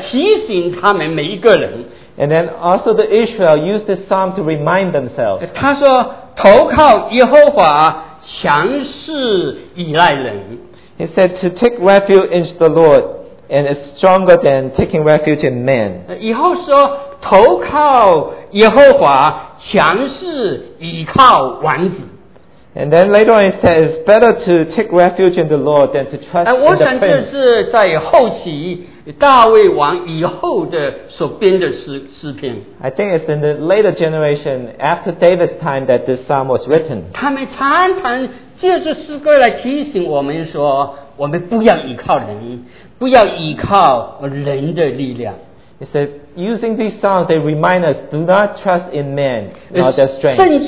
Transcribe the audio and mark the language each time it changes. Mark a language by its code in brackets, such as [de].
[zh] 以色列人也是用诗歌来提醒他们每一个人, [en] and then also the Israel used this psalm to remind themselves. [zh] 他说投靠耶和华强是依赖人, [en] he said to take refuge in the Lord, and it's stronger than taking refuge in man. [zh] 以后说投靠耶和华强是倚靠王子, [en] and then later on it says it's better to take refuge in the Lord than to trust in the prince. [zh] 我想这是在后期大卫王以后的所编的诗篇, [en] I think it's in the later generation after David's time that this psalm was written. [zh] 他们常常借着诗歌来提醒我们说, 我们不要依靠人, 不要依靠人的力量. [en] He said, using these songs, they remind us, do not trust in man nor their strength.